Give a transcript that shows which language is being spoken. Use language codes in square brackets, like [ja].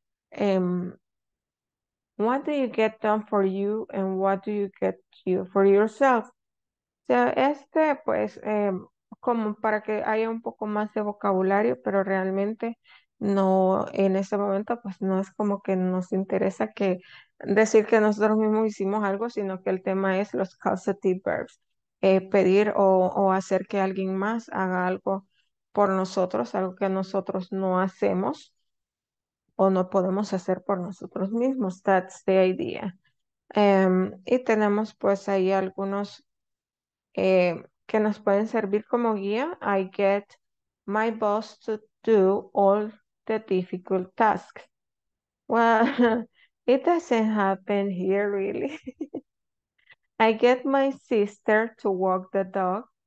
[en] What do you get done for you and what do you get you for yourself? [es] So, este, pues, como para que haya un poco más de vocabulario, pero realmente no, en este momento, pues, no es como que nos interesa que decir que nosotros mismos hicimos algo, sino que el tema es los causative verbs, pedir o hacer que alguien más haga algo por nosotros, algo que nosotros no hacemos o no podemos hacer por nosotros mismos. [en] That's the idea. [es] Y tenemos pues ahí algunos que nos pueden servir como guía. [en] I get my boss to do all the difficult tasks. Well, it doesn't happen here really. I get my sister to walk the dog.